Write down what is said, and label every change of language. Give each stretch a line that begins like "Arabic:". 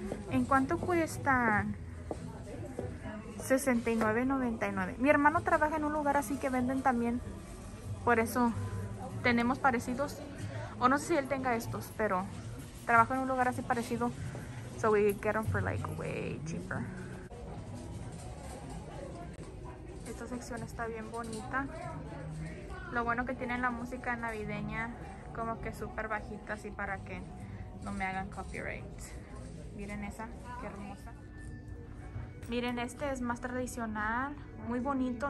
Spanish: ¿En cuánto cuestan? $69.99. Mi hermano trabaja en un lugar así que venden también. Por eso tenemos parecidos. O no sé si él tenga estos, pero trabaja en un lugar así parecido.
English: So we get them for like way cheaper.
Spanish: Esta sección está bien bonita. Lo bueno que tienen la música navideña como que súper bajita, así para que no me hagan copyright. Miren esa, qué hermosa. Miren, este es más tradicional, muy bonito.